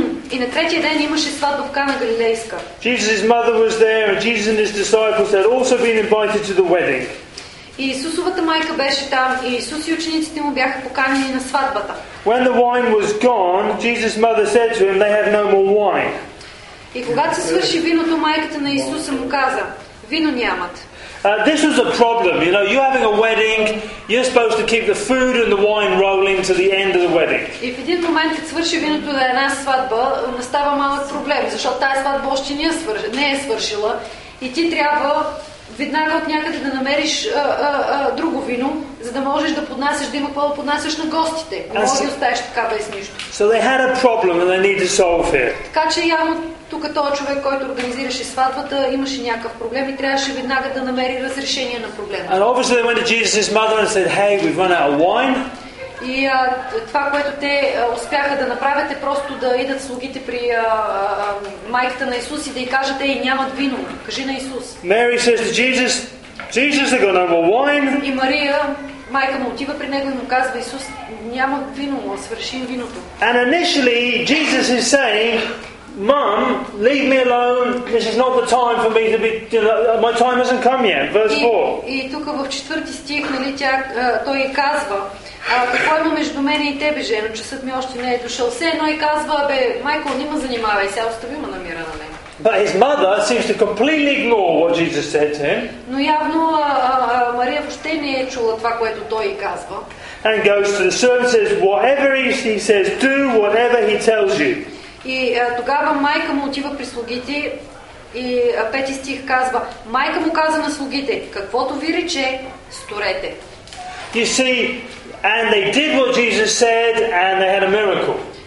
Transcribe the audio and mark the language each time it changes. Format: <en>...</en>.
<bg>И на третия ден имаше сватба в Кана Галилейска.</bg> <en>Jesus' mother was there, and Jesus and his disciples had also been invited to the wedding.</en> <bg>И Исусовата майка беше там, и Исус и учениците му бяха поканени на сватбата.</bg> <en>When the wine was gone, Jesus' mother said to him, "They have no more wine."</en> <bg>И когато се свърши виното, майката на Исуса му каза, "Вино нямат."</bg> <en>This was a problem, you know. You're having a wedding. You're supposed to keep the food and the wine rolling to the end of the wedding.</en> <bg>И в един момент, като свърши виното на една сватба, настава малък проблем, защото тази сватба още не е свършила, и ти трябва веднага от някъде да намериш друго вино, за да можеш да поднасяш, да има какво да поднасяш на гостите. Не можеш да оставиш така без нищо.</bg> <en>So they had a problem and they need to solve it.</en> <bg>Така че явно тук този човек, който организираше сватбата, имаше някакъв проблем и трябваше веднага да намери разрешение на проблема.</bg> <en>And obviously they went to Jesus' mother and said, "Hey, we've run out of wine."</en> <bg>И това, което те успяха да направят, е просто да идат слугите при майката на Исус и да й кажат, ей, нямат вино. Кажи на Исус.</bg> <en>Mary says to Jesus, "Jesus, they got no more wine."</en> <bg>И Мария, майка му, отива при него и му казва, Исус, няма вино, свършим виното.</bg> <en>And initially, Jesus is saying, "Mom, leave me alone. This is not the time for me to be, you know, my time hasn't come yet." Verse 4.</en> <bg>И тук в четвърти стих, нали, той й казва, какво има между мен и тебе, жено? Часът ми още не е дошъл. Все едно и казва, бе, майко, нима занимавай, сега остави ма намира на мен.</bg> <en>But his mother seems to completely ignore what Jesus said to him.</en> <bg>Но явно Мария въобще не е чула това, което той и казва.</bg> <en>And goes to the servant and says, "Whatever he says, do whatever he tells you."</en> <bg>И тогава майка му отива при слугите и пети стих казва, майка му каза на слугите, каквото ви рече, сторете.</bg> <en>You see, and they did what Jesus said, and they had a miracle.</en>